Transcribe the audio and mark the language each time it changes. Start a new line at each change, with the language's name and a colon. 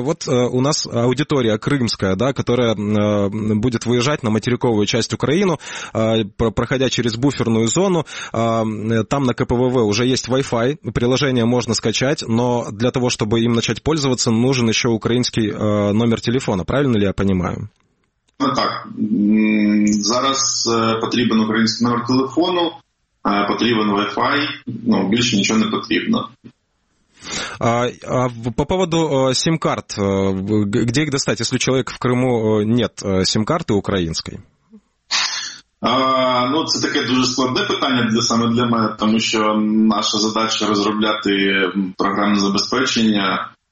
Russian: Вот у нас аудитория крымская, да, которая будет выезжать на материковую часть Украины, проходя через буферную зону. Там на КПВВ уже есть Wi-Fi, приложение можно скачать, но для того, чтобы им начать пользоваться, нужен еще украинский номер телефона. Правильно ли я понимаю?
Ukrainian: Ну так. Зараз потрібен український номер телефону, потрібен Wi-Fi, ну, більше нічого не потрібно.
Russian: А по поводу сим-карт, где их достать, если у человека в Крыму нет сим-карты украинской?
Ukrainian: Ну, це таке дуже складне питання для саме для мене, тому що наша задача розробляти програмне забезпечення.